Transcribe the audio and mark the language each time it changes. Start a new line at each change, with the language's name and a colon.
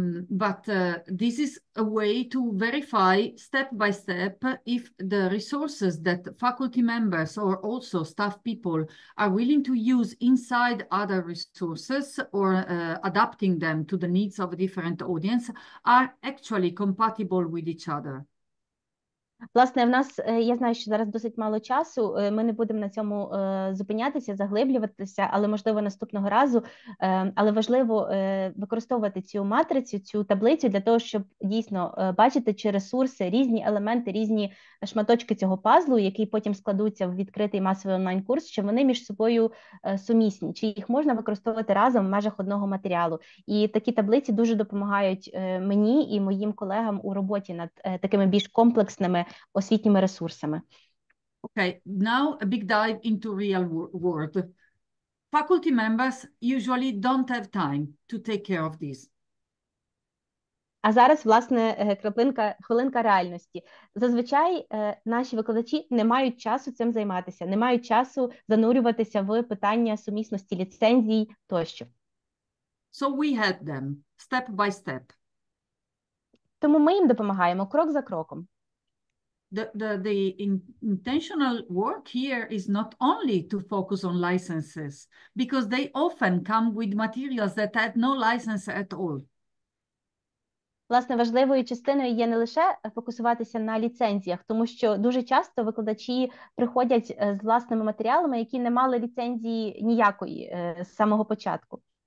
English: But this is a way to verify step by step if the resources that faculty members or also staff people are willing to use inside other resources or adapting them to the needs of a different audience are actually compatible with each other.
Ukrainian: Власне, в нас, я знаю, що зараз досить мало часу, ми не будемо на цьому зупинятися, заглиблюватися, але, можливо, наступного разу, але важливо використовувати цю матрицю, цю таблицю для того, щоб дійсно бачити, чи ресурси, різні елементи, різні шматочки цього пазлу, який потім складуться в відкритий масовий онлайн-курс, чи вони між собою сумісні, чи їх можна використовувати разом в межах одного матеріалу. І такі таблиці дуже допомагають мені і моїм колегам у роботі над такими більш комплексними освітніми ресурсами.
English: Okay, now a big dive into real world. Faculty members usually don't have time to take care of this.
Ukrainian: А зараз, власне, хвилинка реальності. Зазвичай наші викладачі не мають часу цим займатися, не мають часу занурюватися в питання сумісності ліцензій тощо.
English: So we help them step by step.
Ukrainian: Тому ми їм допомагаємо крок за кроком.
English: The intentional work here is not only to focus on licenses, because they often come with materials that have no license at all.
Ukrainian: Власне, важливою частиною є не лише фокусуватися на ліцензіях, тому що дуже часто викладачі приходять з власними матеріалами, які не мали ліцензії ніякої з самого початку.